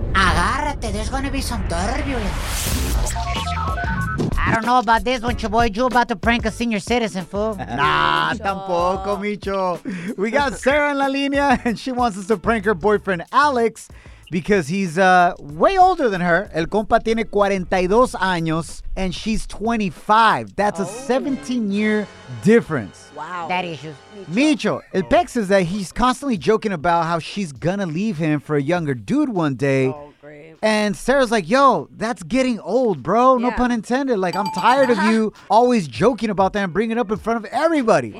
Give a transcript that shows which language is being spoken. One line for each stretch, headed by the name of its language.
Spanish: Agárrate,
English: there's gonna be some turbulence. I don't know about this one, Shaboy. You about to prank a senior citizen, fool.
Spanish: Nah, Micho. Tampoco, Micho.
English: We got Sarah in
Spanish: la línea,
English: and she wants us to prank her boyfriend, Alex, because he's way older than her.
Spanish: El compa tiene 42 años,
English: and she's 25. That's a 17-year difference. Wow. That issues. Micho,
Spanish: el pex
English: is that he's constantly joking about how she's gonna leave him for a younger dude one day. Oh, great. And Sarah's like, yo, that's getting old, bro. Yeah. No pun intended. Like, I'm tired of you always joking about that and bringing it up in front of everybody.